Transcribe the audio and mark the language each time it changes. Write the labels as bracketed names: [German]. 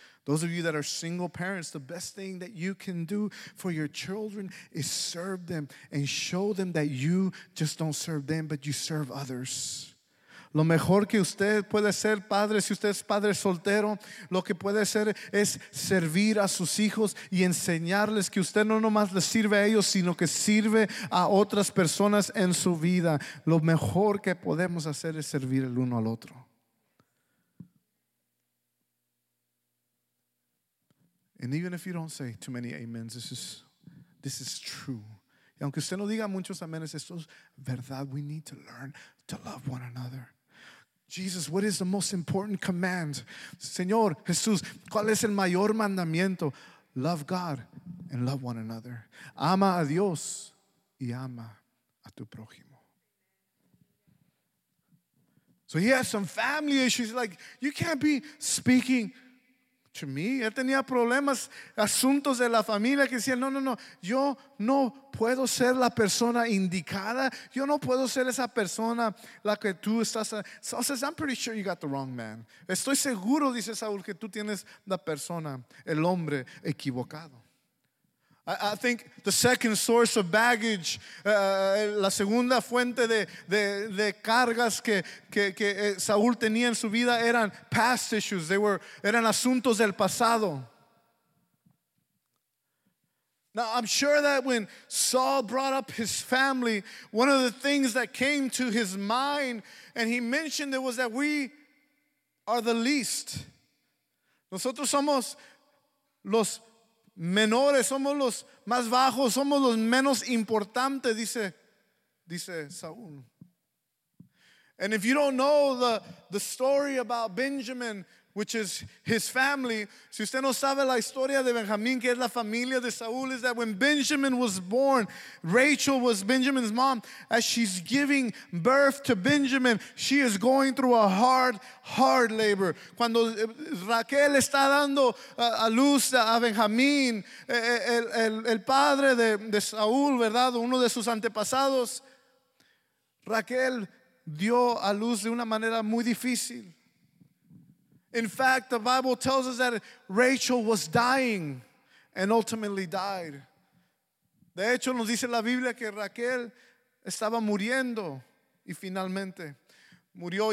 [English] Those of you that are single parents, the best thing that you can do for your children is serve them and show them that you just don't serve them, but you serve others. [Spanish] Lo mejor que usted puede ser padre, si usted es padre soltero, lo que puede hacer es servir a sus hijos y enseñarles que usted no nomás les sirve a ellos, sino que sirve a otras personas en su vida. Lo mejor que podemos hacer es servir el uno al otro. [English] And even if you don't say too many amens, this is true. [Spanish] Y aunque usted no diga muchos amenes, esto es verdad. [English] We need to learn to love one another. Jesus, what is the most important command? [Spanish] Señor Jesús, ¿cuál es el mayor mandamiento? [English] Love God and love one another. [Spanish] Ama a Dios y ama a tu prójimo. [English] So he has some family issues. Like, you can't be speaking to me. [Spanish] Él tenía problemas, asuntos de la familia que decían, no, yo no puedo ser la persona indicada. Yo no puedo ser esa persona la que tú estás. [English] Saul says, I'm pretty sure you got the wrong man. [Spanish] Estoy seguro, dice Saúl, que tú tienes la persona, el hombre equivocado. [English] I think the second source of baggage, [Spanish] la segunda fuente de cargas que Saúl tenía en su vida eran [English] past issues. [Spanish] Eran asuntos del pasado. [English] Now, I'm sure that when Saul brought up his family, one of the things that came to his mind and he mentioned it was that we are the least. [Spanish] Nosotros somos los menores, somos los más bajos, somos los menos importantes, dice Saúl. [English] And if you don't know the story about Benjamin, which is his family, [Spanish] si usted no sabe la historia de Benjamín, que es la familia de Saúl, [English] is that when Benjamin was born, Rachel was Benjamin's mom, as she's giving birth to Benjamin, she is going through a hard, hard labor. [Spanish] Cuando Raquel está dando a luz a Benjamín, el padre de Saúl, ¿verdad? Uno de sus antepasados, Raquel dio a luz de una manera muy difícil. [English] In fact, the Bible tells us that Rachel was dying and ultimately died. [Spanish] De hecho, nos dice la Biblia que Raquel estaba muriendo y finalmente murió.